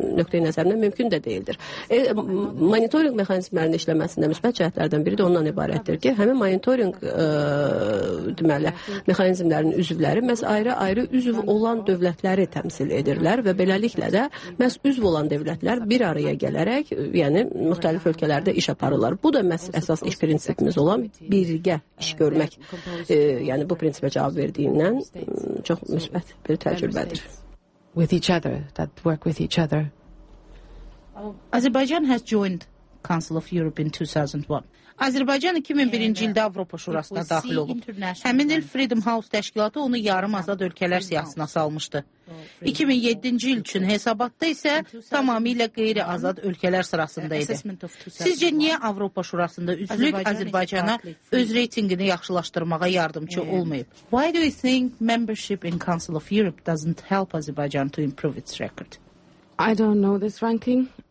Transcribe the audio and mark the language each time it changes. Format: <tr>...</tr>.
<az>Nöqteyi nəzərindən mümkün də deyildir. Monitoring mexanizmlərinin işləməsində müsbət cəhətlərdən biri də ondan ibarətdir ki, həmin monitoring deməli mexanizmlərinin üzvləri məhz ayrı-ayrı üzv olan dövlətləri təmsil edirlər və belə Beləliklə də məhz üzv olan dövlətlər bir araya gələrək, yəni müxtəlif ölkələrdə iş aparırlar. Bu da məhz əsas iş prinsipimiz olan birgə iş görmək, yəni bu prinsipə cavab verdiyindən çox müsbət bir təcrübədir.</az> <en>With each other, that work with each other. Azərbaycan has joined Council of Europe in 2001.</en> <az>Azərbaycan 2001-ci ildə Avropa Şurasına daxil olub. Həmin il Freedom House təşkilatı onu yarım azad ölkələr siyahısına salmışdı. 2007-ci il üçün hesabatda isə tamamilə qeyri-azad ölkələr sırasında idi. Sizcə niyə Avropa Şurasında üzvlük Azərbaycana öz reytingini yaxşılaşdırmağa yardımcı olmayıb?</az> <en>Why do you think membership in Council of Europe doesn't help Azerbaijan to improve its record? I don't know this ranking.</en>